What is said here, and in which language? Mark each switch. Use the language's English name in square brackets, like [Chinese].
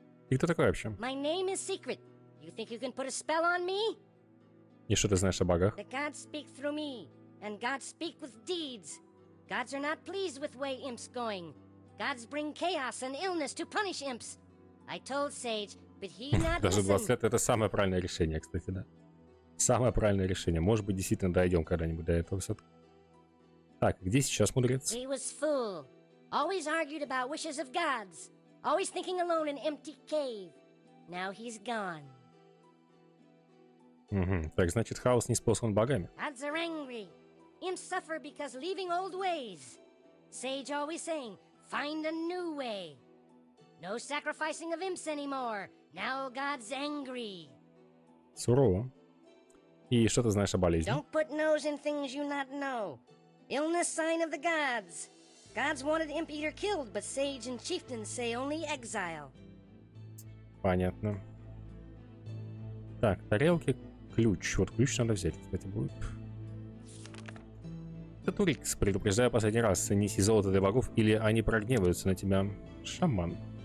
[Russian] И кто такой вообще? [English] My name is Secret. You think you can put a spell on me? [Russian] И что ты знаешь о богах? [English] The gods speak through me, and gods speak with deeds. Gods are not pleased with way imps going. Gods bring chaos and illness to punish imps. I told Sage, but he not [Russian] Даже 20 лет — это самое правильное решение, кстати, да. Самое правильное решение. Может быть, действительно дойдем когда-нибудь до этого все-таки. Так, где сейчас мудрец? [English] He was fool. Always argued about wishes of gods. Always thinking alone in empty cave. Now he's gone. [Russian] Так значит, хаос не спослан богами. [English] Gods are angry. Imps suffer because leaving old ways. Sage always saying, find a new way. No sacrificing of imps anymore. Now God's angry. [Russian] Сурово. И что ты знаешь о болезни? [English] Don't put nose in things you not know. Illness sign of the gods. Gods wanted Imp Eater killed, but Sage and Chieftain say only exile. [Russian] Понятно. Так, тарелки, ключ. Вот ключ надо взять, кстати, будет. Татурикс, предупреждаю последний раз. Неси золото для богов, или они прогневаются на тебя. Шаман.